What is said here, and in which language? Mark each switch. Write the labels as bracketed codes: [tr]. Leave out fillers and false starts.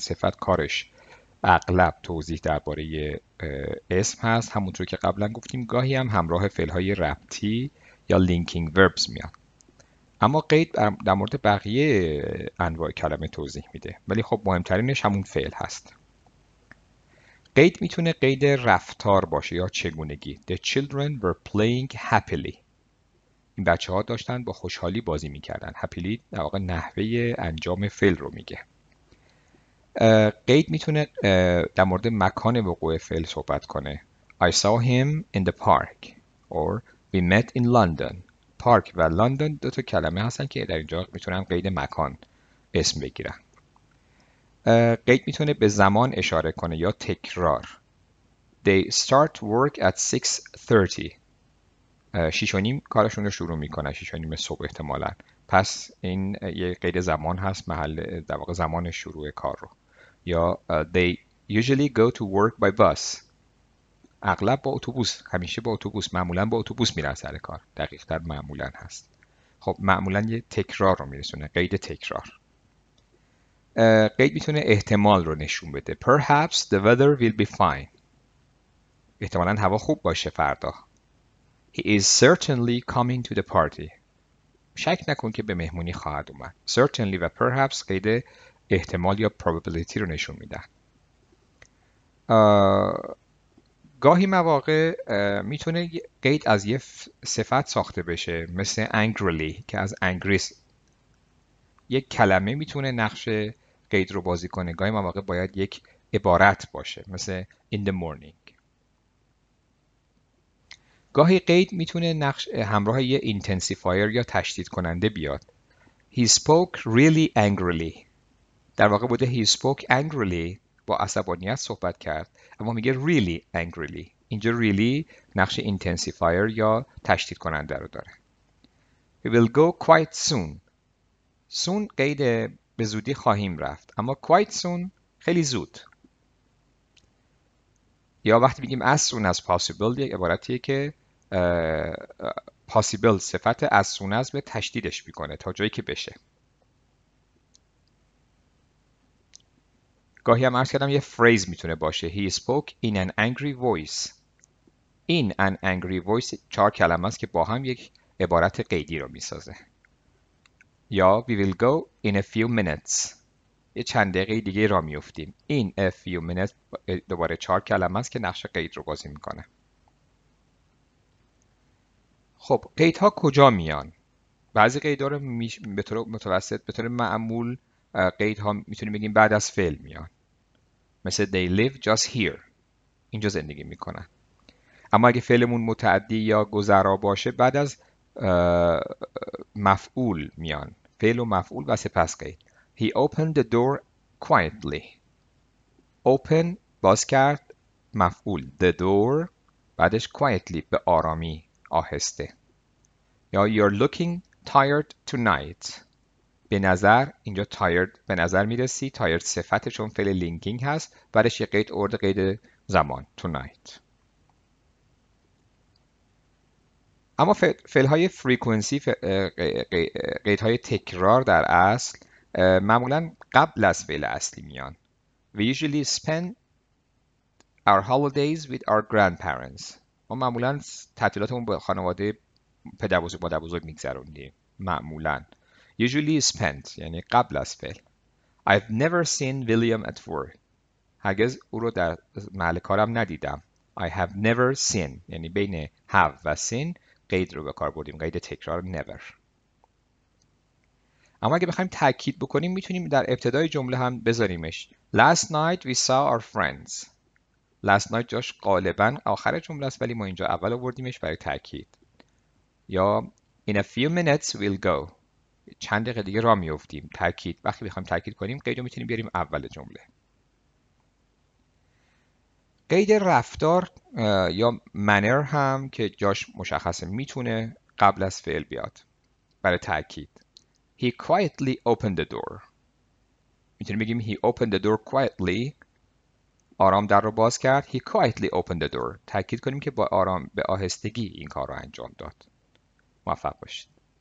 [fa] صفت کارش اغلب توضیح درباره اسم هست، همونطور که قبلا گفتیم، گاهی هم همراه فعل‌های ربطی یا لینکینگ وربز میاد. اما قید در مورد بقیه انواع کلمه توضیح میده، ولی خب مهمترینش همون فعل هست. قید میتونه قید رفتار باشه یا چگونگی. [en] The children were playing happily. [fa] این بچه ها داشتن با خوشحالی بازی میکردن. happily در واقع نحوه انجام فعل رو میگه. قید میتونه در مورد مکان وقوع فعل صحبت کنه. [en] I saw him in the park or we met in London. [fa] Park و London دو تا کلمه هستن که در اینجا میتونن قید مکان اسم بگیرن. قید میتونه به زمان اشاره کنه یا تکرار. [en] They start work at 6:30. [fa] شیش و نیم کارشون رو شروع میکنن، شیش و نیم صبح احتمالا. پس این یه قید زمان هست، محل در واقع زمان شروع کار رو. یا [en] they usually go to work by bus. [fa] اغلب با اتوبوس، همیشه با اتوبوس، معمولا با اتوبوس میرن سر کار. دقیق تر معمولا هست. خب معمولا یه تکرار رو میرسونه، قید تکرار. قید میتونه احتمال رو نشون بده. [en] Perhaps the weather will be fine. [fa] احتمالا هوا خوب باشه فردا. [en] He is certainly coming to the party. [fa] شک نکن که به مهمونی خواهد اومد. Certainly و perhaps قید احتمال یا probability رو نشون میدن. گاهی مواقع میتونه قید از یه صفت ساخته بشه، مثل angrily که از angries. یک کلمه میتونه نقش قید رو بازی کنه. گاهی مواقع باید یک عبارت باشه، مثل [en] in the morning. [fa] گاهی قید میتونه نقش همراه یه intensifier یا تشدید کننده بیاد. [en] He spoke really angrily. [fa] در واقع بوده [en] he spoke angrily، [fa] با عصبانیت صحبت کرد، اما میگه [en] really angrily. [fa] اینجا really نقش intensifier یا تشدید کننده رو داره. [en] We will go quite soon. [fa] Soon قید به زودی خواهیم رفت، اما [en] quite soon [fa] خیلی زود. یا وقتی بگیم [en] as soon as possible، [fa] یک عبارتیه که possible صفت as soon as به تشدیدش میکنه تا جایی که بشه. گاهی هم عرض کردم یه phrase میتونه باشه. [en] He spoke in an angry voice. In an angry voice [fa] چهار کلمه است که با هم یک عبارت قیدی رو میسازه. یا [en] we will go in a few minutes. [fa] یه چند دقیقه دیگه را میفتیم. [en] In a few minutes [fa] دوباره چهار کلمه است که نقش قید رو بازی میکنه. خب قیدها کجا میان؟ بعضی قیدها رو به طور متوسط، به طور معمول قیدها میتونیم بگیم بعد از فعل میان. مثل [en] they live just here. [fa] اینجا زندگی میکنن. اما اگه فعلمون متعدی یا گذرا باشه، بعد از مفعول میان، فعل و مفعول و سپس قید. [en] He opened the door quietly. [fa] Open باز کرد، مفعول [en] the door، [fa] بعدش quietly به آرامی آهسته. یا [en] you're looking tired tonight. [fa] به نظر اینجا tired به نظر میرسی، tired صفتشون فعل لینکینگ هست، بعدش یه قید ارد قید زمان tonight. اما فعل‌های فریکونسی، قیدهای تکرار در اصل، معمولاً قبل از فعل اصلی میان. [en] We usually spend our holidays with our grandparents. [fa] ما معمولاً تعطیلاتمون با خانواده پدر بزرگ مادر بزرگ می‌گذروندیم. معمولاً. [en] Usually spend [fa] یعنی قبل از فعل. [en] I've never seen William at work. [fa] هرگز او رو در محل کارم ندیدم. [en] I have never seen [fa] یعنی بین have و seen قید رو به کار بردیم، قید تکرار never. اما اگه بخوایم تاکید بکنیم، میتونیم در ابتدای جمله هم بذاریمش. [en] Last night we saw our friends. last night [fa] جاش غالبا آخر جمله است ولی ما اینجا اول آوردیمش برای تاکید. یا [en] in a few minutes we'll go، [fa] چند دقیقه دیگه راه میافتیم، تاکید. وقتی بخوایم تاکید کنیم قید رو میتونیم بیاریم اول جمله. قید رفتار یا manner هم که جاش مشخصه میتونه قبل از فعل بیاد برای تاکید. [en] He quietly opened the door. [fa] میتونیم بگیم [en] he opened the door quietly. [fa] آرام در رو باز کرد. [en] He quietly opened the door. [fa] تاکید کنیم که با آرام به آهستگی این کار رو انجام داد. موفق باشید.